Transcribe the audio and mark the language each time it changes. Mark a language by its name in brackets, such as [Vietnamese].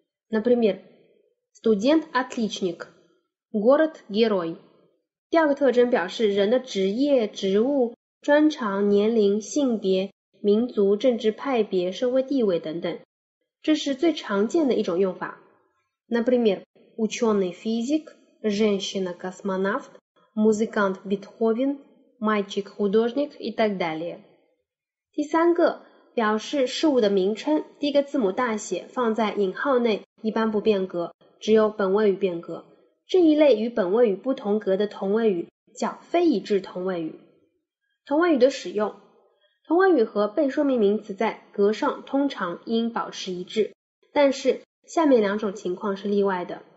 [Russian] Например, студент отличник, город герой。 [Chinese] 第二个特征表示人的职业、职务、专长、年龄、性别、民族、政治派别、社会地位等等，这是最常见的一种用法。 [Russian] Например, ученый физик, женщина космонавт, музыкант Бетховен, мальчик художник и так далее. [Chinese] 第三个表示事物的名称，第一个字母大写放在引号内，一般不变格，只有本位语变格。这一类与本位语不同格的同位语叫非一致同位语。同位语的使用，同位语和被说明名词在格上通常应保持一致，但是下面两种情况是例外的。